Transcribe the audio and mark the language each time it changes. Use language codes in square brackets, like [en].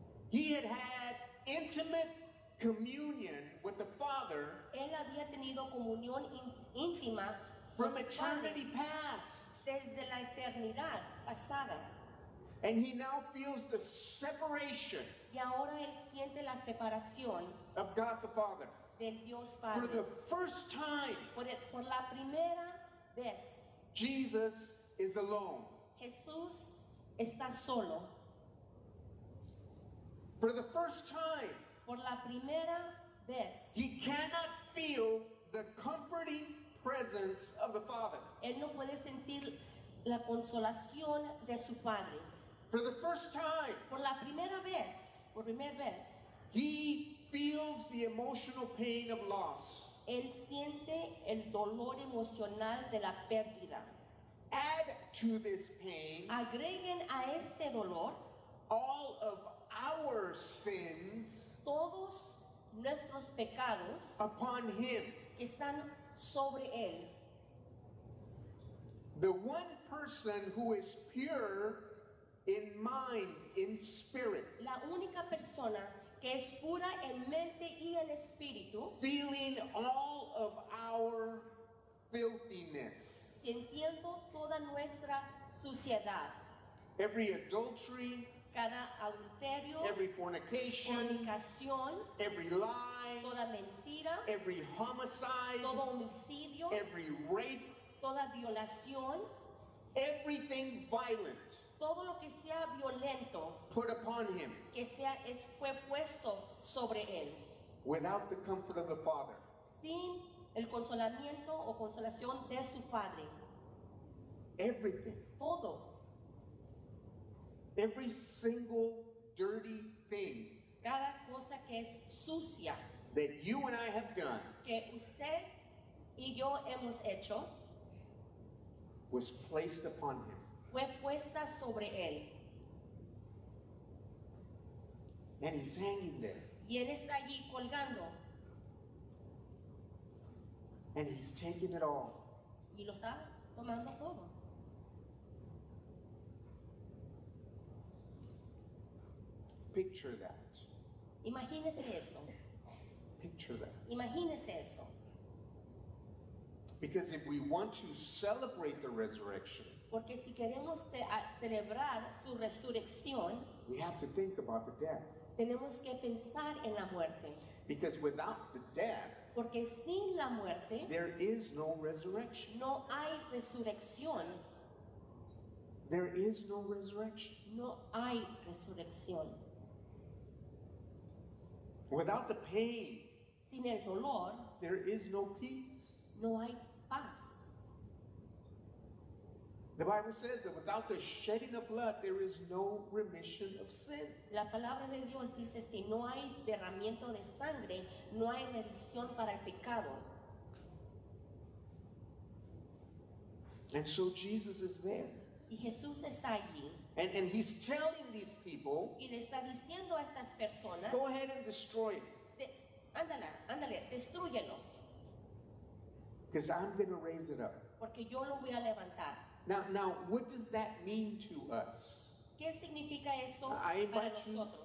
[en] He had had intimate communion with the Father. [es] Él había tenido comunión íntima [en] from eternity past. [es] Desde la eternidad pasada. [en] And he now feels the separation. [es] Y ahora él siente la separación [en] of God the Father. [es] Del Dios Padre. [en] For the first time. [es] Por la primera vez. [en] Jesus is alone. [es] Jesús está solo. [en] For the first time, [es] por la primera vez, [en] he cannot feel the comforting presence of the Father. [es] Él no puede sentir la consolación de su Padre. [en] For the first time, [es] por la primera vez, por primera vez, [en] he feels the emotional pain of loss. [es] Él siente el dolor emocional de la pérdida. [en] Add to this pain, [es] agreguen a este dolor, [en] all of our sins, [es] todos nuestros pecados, [en] upon him, [es] que están sobre él. [en] The one person who is pure in mind, in spirit, [es] la única persona que es pura en mente y en espíritu, [en] feeling all of our filthiness, [es] sintiendo toda nuestra suciedad, [en] every adultery, [es] cada adulterio, [en] every fornication, [es] fornicación, [en] every lie, [es] toda mentira, [en] every homicide, [es] todo homicidio, [en] every rape, [es] toda violación, [en] everything violent, [es] todo lo que sea violento, [en] put upon him, [es] que sea, es, fue puesto sobre él, [en] without the comfort of the Father, [es] sin el consolamiento o consolación de su Padre. [en] Everything, [es] todo, [en] every single dirty thing, [es] cada cosa que es sucia, [en] that you and I have done, [es] que usted y yo hemos hecho, [en] was placed upon him. [es] Fue puesta sobre él. [en] And he's hanging there. [es] Y él está allí colgando. [en] And he's taking it all. [es] Y lo está tomando todo. [en] Picture that. [es] Imagínese eso. [en] Picture that. [es] Imagínese eso. [en] Because if we want to celebrate the resurrection, [es] porque si queremos celebrar su resurrección, [en] we have to think about the death. [es] Tenemos que pensar en la muerte. [en] Because without the death, [es] porque sin la muerte, [en] there is no resurrection. [es] No hay resurrección. [en] There is no resurrection. [es] No hay resurrección. [en] Without the pain, [es] sin el dolor, [en] there is no peace. [es] No hay paz. [en] The Bible says that without the shedding of blood, there is no remission of sin. [es] La palabra de Dios dice, si no hay derramamiento de sangre, no hay remisión para el pecado. [en] And so Jesus is there. [es] Y Jesús está allí. [en] And he's telling these people, [es] y le está diciendo a estas personas, [en] go ahead and destroy it. [es] Ándale, destrúyelo. [en] Because I'm going to raise it up. [es] Porque yo lo voy a levantar. [en] Now, what does that mean to us? [es] ¿Qué significa eso para nosotros?